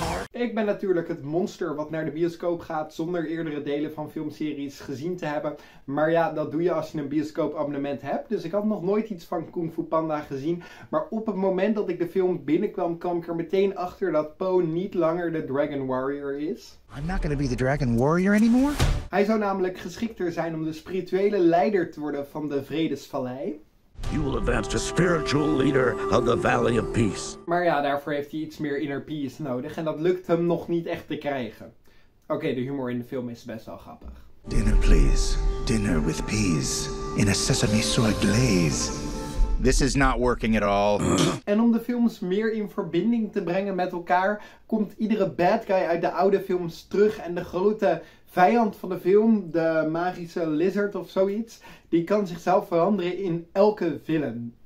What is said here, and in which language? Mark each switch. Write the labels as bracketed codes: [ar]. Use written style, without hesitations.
[nl] Ik ben natuurlijk het monster wat naar de bioscoop gaat zonder eerdere delen van filmseries gezien te hebben. Maar ja, dat doe je als je een bioscoopabonnement hebt. Dus ik had nog nooit iets van Kung Fu Panda gezien. Maar op het moment dat ik de film binnenkwam, kwam ik er meteen achter dat Po niet langer de Dragon Warrior is. [en] I'm not gonna be the Dragon Warrior anymore. [nl] Hij zou namelijk geschikter zijn om de spirituele leider te worden van de Vredesvallei. [en] You will advance to spiritual leader of the Valley of Peace. [nl] Maar ja, daarvoor heeft hij iets meer inner peace nodig en dat lukt hem nog niet echt te krijgen. Oké, de humor in de film is best wel grappig. [en] Dinner please. Dinner with peas. In a sesame soy glaze. This is not working at all. [nl] En om de films meer in verbinding te brengen met elkaar, komt iedere bad guy uit de oude films terug en de grote vijand van de film, de magische lizard of zoiets, die kan zichzelf veranderen in elke villain.